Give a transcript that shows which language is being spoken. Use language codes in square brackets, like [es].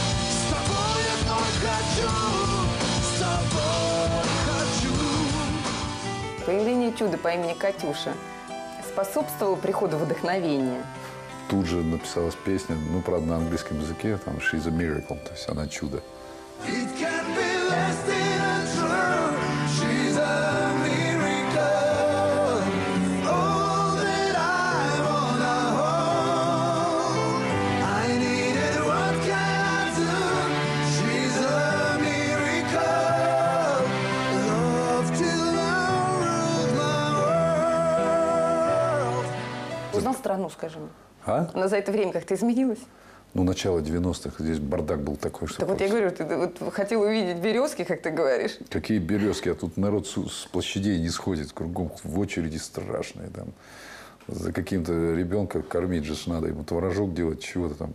[ru] С тобой я так хочу, с тобой хочу. Появление чуда по имени Катюша способствовало приходу вдохновения? Тут же написалась песня, ну, правда, на английском языке, там, [en] «She's a miracle», [ru] то есть она чудо. [en] It can't be less than a true, she's a miracle. All that I wanna hold, I need it, what can I do? She's a miracle, love to love my world. [ru] Узнал страну, скажем? А? Она за это время как-то изменилась? Ну, начало 90-х, здесь бардак был такой, что... Да вот я говорю, ты вот хотел увидеть березки, как ты говоришь. Какие березки? А тут народ с площадей не сходит, кругом в очереди страшные. Там. За каким-то ребенка кормить же надо, ему творожок делать, чего-то там.